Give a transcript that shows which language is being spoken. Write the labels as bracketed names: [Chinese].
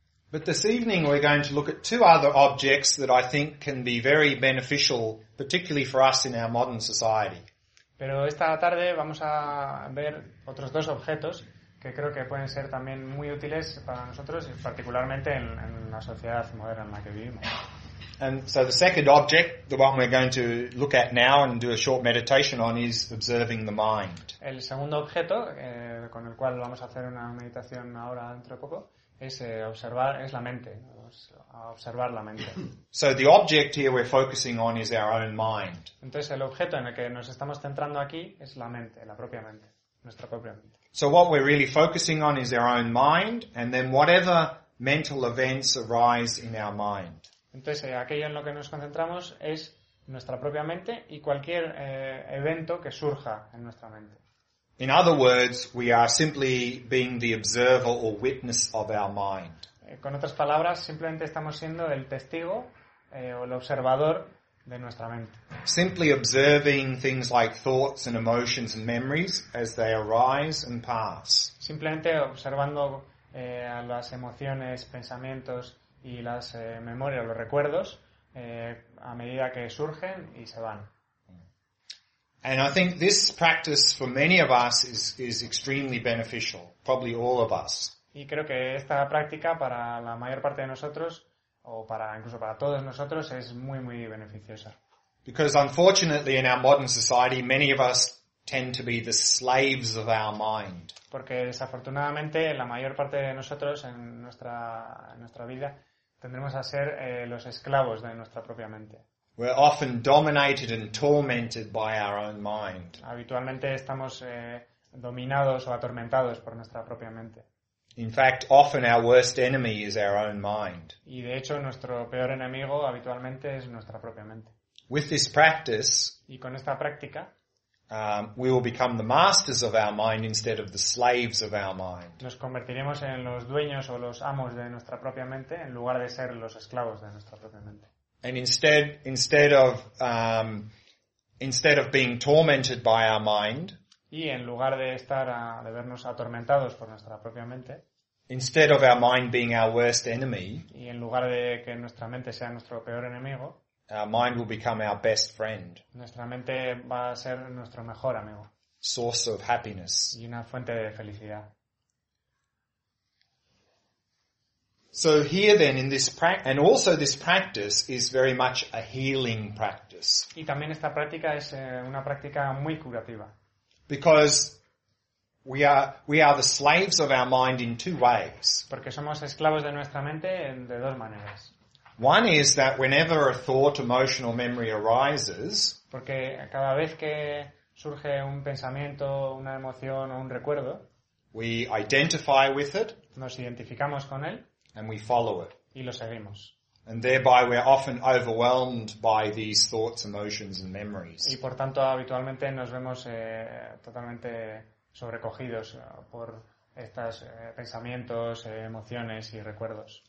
[English] But this evening we're going to look at two other objects that I think can be very beneficial, particularly for us in our modern society. [Spanish] Pero esta tarde vamos a ver otros dos objetos que creo que pueden ser también muy útiles para nosotros, particularmente en la sociedad moderna en la que vivimos. [English] And so the second object, the one we're going to look at now and do a short meditation on, is observing the mind. [Spanish] El segundo objeto con el cual vamos a hacer una meditación ahora dentro de poco es observar, es la mente, observar la mente. [English] So the object here we're focusing on is our own mind. [Spanish] Entonces el objeto en el que nos estamos centrando aquí es la mente, la propia mente, nuestra propia mente. [English] So what we're really focusing on is our own mind, and then whatever mental events arise in our mind. [Spanish] Entonces, aquello en lo que nos concentramos es nuestra propia mente y cualquier evento que surja en nuestra mente. [English] In other words, we are simply being the observer or witness of our mind. [Spanish] Con otras palabras, simplemente estamos siendo el testigo o el observador de nuestra mente. [English] Simply observing things like thoughts and emotions and memories as they arise and pass. [Spanish] Simplemente observando a las emociones, pensamientos y las memorias, los recuerdos, a medida que surgen y se van. [English] And I think this practice for many of us is extremely beneficial, probably all of us. [Spanish] Y creo que esta práctica para la mayor parte de nosotros, o para incluso para todos nosotros, es muy muy beneficiosa. [English] Because unfortunately in our modern society many of us tend to be the slaves of our mind. [Spanish] Porque desafortunadamente la mayor parte de nosotros en nuestra vida tendremos a ser los esclavos de nuestra propia mente. [English] We're often dominated and tormented by our own mind. [Spanish] Habitualmente estamos dominados o atormentados por nuestra propia mente. [English] In fact, often our worst enemy is our own mind. [Spanish] Y de hecho nuestro peor enemigo habitualmente es nuestra propia mente. [English] With this practice, [Spanish] y con esta práctica, [English] We will become the masters of our mind instead of the slaves of our mind. [Spanish] Nos convertiremos en los dueños o los amos de nuestra propia mente en lugar de ser los esclavos de nuestra propia mente. [English] And instead of being tormented by our mind, [Spanish] y en lugar de estar de vernos atormentados por nuestra propia mente, [English] instead of our mind being our worst enemy, [Spanish] y en lugar de que nuestra mente sea nuestro peor enemigo, [English] our mind will become our best friend. [Spanish] Nuestra mente va a ser nuestro mejor amigo. [English] Source of happiness. [Spanish] Y una fuente de felicidad. [English] So here then in this practice, and also this practice is very much a healing practice. [Spanish] Y también esta práctica es una práctica muy curativa. [English] Because we are the slaves of our mind in two ways. [Spanish] Porque somos esclavos de nuestra mente de dos maneras. [English] One is that whenever a thought, emotion, or memory arises, [Spanish] porque cada vez que surge un pensamiento, una emoción o un recuerdo, [English] we identify with it, [Spanish] nos identificamos con él, [English] and we follow it, [Spanish] y lo seguimos. [English] And thereby we're often overwhelmed by these thoughts, emotions, and memories. [Spanish] Y por tanto habitualmente nos vemos totalmente sobrecogidos por estos pensamientos, emociones y recuerdos.